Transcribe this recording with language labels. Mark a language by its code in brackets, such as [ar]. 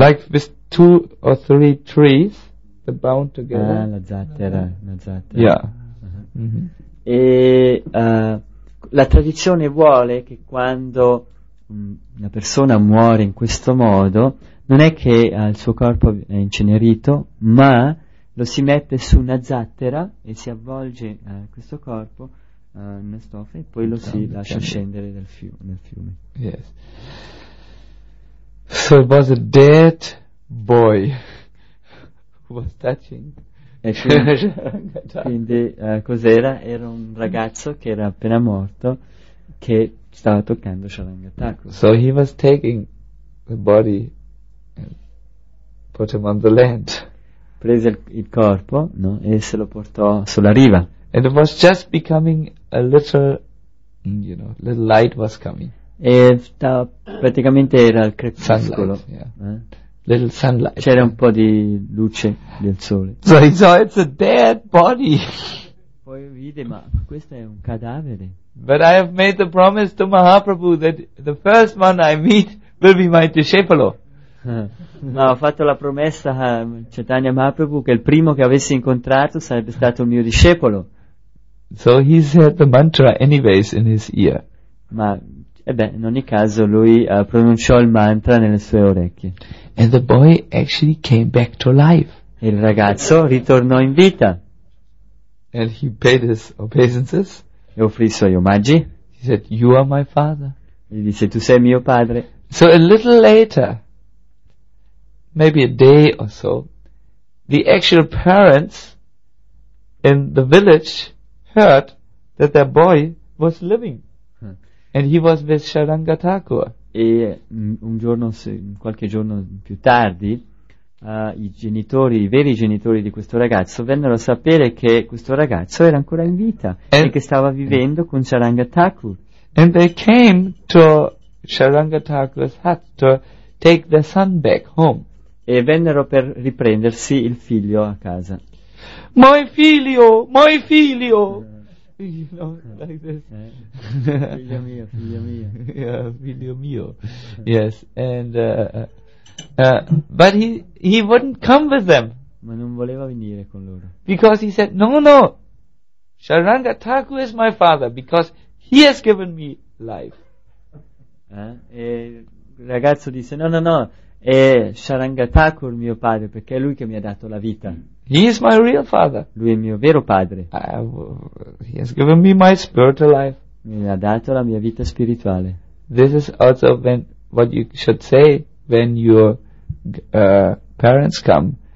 [en] Like with two or three trees that bound together. [it] Ah, la zattera, la zattera. [en] Yeah. Uh-huh. Mm-hmm. [it] E la tradizione vuole che quando una persona muore in questo modo, non è che il suo corpo è incenerito, ma lo si mette su una zattera e si avvolge questo corpo una stoffa e poi lo si lascia scendere nel fiume. [en] Yes. So it was a dead boy who was touching. [it] E quindi cos'era? Era un ragazzo che era appena morto che stava toccando Sharanga Thakur. [en] So he was taking the body and put him on the land. [it] Prese il corpo, no? E se lo portò sulla riva. [en] And it was just becoming a little, you know, little light was coming. [it] E stava, praticamente era il crepuscolo. [en] Sunlight, yeah. Little sunlight. [it] C'era un po' di luce del sole. [en] So he saw it's a dead body. [it] Poi vide, ma questo è un cadavere. [en] But I have made the promise to Mahaprabhu that the first one I meet will be my [it] discepolo. Ma ho fatto la promessa a Chaitanya Mahaprabhu che il primo che avessi incontrato sarebbe stato il mio discepolo. [en] So he said the mantra anyways in his ear. [it] Ma in ogni caso lui pronunciò il mantra nelle sue orecchie. [en] And the boy actually came back to life. [it] E il ragazzo ritornò in vita. [en] And he paid his obeisances. [it] E offrì i suoi omaggi. [en] He said, "You are my father." [it] Gli disse, "Tu sei mio padre." [en] So a little later, maybe a day or so, the actual parents in the village heard that their boy was living. And he was with Sharanga Thakur. [it] E un giorno, qualche giorno più tardi, i genitori, i veri genitori di questo ragazzo vennero a sapere che questo ragazzo era ancora in vita e che stava vivendo con Sharanga Thakur. [en] And they came to Sharanga Thakur's hut to take their son back home. [it] e vennero per riprendersi il figlio a casa. Moi figlio, moi figlio! [en] No, like this. [it] Figlio mio. [en] Yes, and but he wouldn't come with them. [it] Ma non voleva venire con loro. [en] Because he said, no, Sharangataku is my father because he has given me life. [it] E il ragazzo disse, no, è Sharangataku il mio padre perché è lui che mi ha dato la vita. [en] He is my real father. [it] Lui è mio vero padre. [en] He has given me my spiritual life. [it] Mi ha dato la mia vita spirituale. [en] This is also when what you should say when your parents come.